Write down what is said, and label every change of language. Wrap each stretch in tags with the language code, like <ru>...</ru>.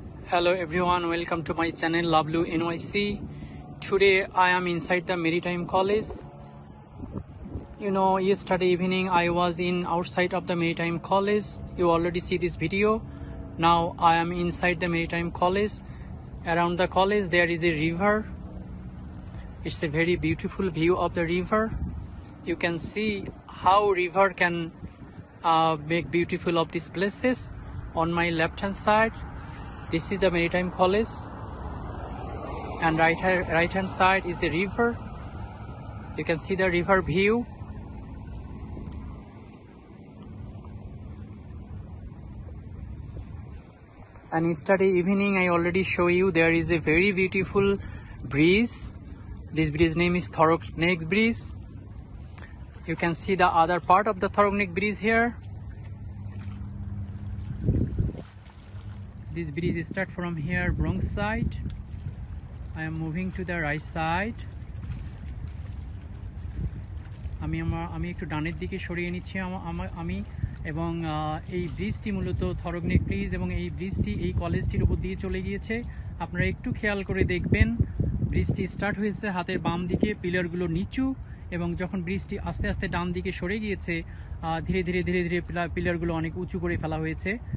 <en>Hello everyone, welcome to my channel Lovelu NYC। Today I am inside the Maritime College. You know yesterday evening I was in outside of the Maritime College, you already see this video. Now I am inside the Maritime College. Around the college there is a river. It's a very beautiful view of the river. You can see how river can make beautiful of these places. On my left hand side, this is the Maritime College. And right hand side is the river. You can see the river view. And yesterday evening I already show you there is a very beautiful bridge. This bridge name is Thoroughneck Bridge. You can see the other part of the Thoroughneck Bridge here. This bridge starts from here wrong side. I am moving to the right side.</en> <bn>আমি একটু ডানের দিকে সরিয়ে নিচ্ছি আমি, এবং এই ব্রিজটি মূলত থরগনেক ব্রিজ, এবং এই ব্রিজটি এই কলেজটির উপর দিয়ে চলে গিয়েছে। আপনারা একটু খেয়াল করে দেখবেন ব্রিজটি স্টার্ট হয়েছে হাতের বাম দিকে, পিলারগুলো নিচু, এবং যখন ব্রিজটি আস্তে আস্তে ডান দিকে সরে গিয়েছে ধীরে ধীরে ধীরে ধীরে পিলারগুলো অনেক উঁচু করে ফেলা হয়েছে।</bn>